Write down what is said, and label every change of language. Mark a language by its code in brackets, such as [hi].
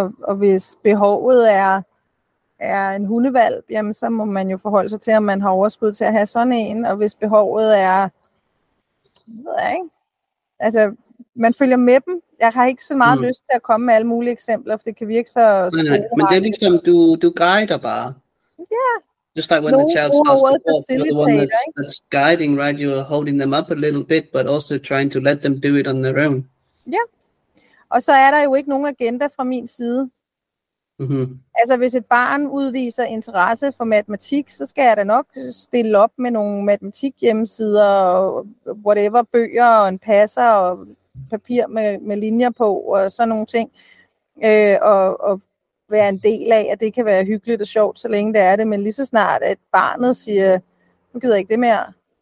[da] Og hvis behovet er en hundevalp, jamen, så må man jo forholde sig til, om man har overskud til at have sådan en. Og hvis behovet er, ved jeg ikke, altså, man følger med dem. Jeg har ikke så meget lyst til at komme med alle mulige eksempler, for det kan virke så skole. Men det er ligesom, du guider bare. Ja. [en] Just like when the child starts to walk, you're the one that's guiding, right? You're holding them up a little bit, but also trying to let them do it on their own. [da] Ja. Og så er der jo ikke nogen agenda fra min side. Mm-hmm. Altså, hvis et barn udviser interesse for matematik, så skal jeg da nok stille op med nogle matematikhjemmesider, og whatever, bøger og en passer og papir med linjer på og sådan nogle ting, og være en del af, at det kan være hyggeligt og sjovt, så længe det er det, men lige så snart at barnet siger, nu gider jeg ikke det mere,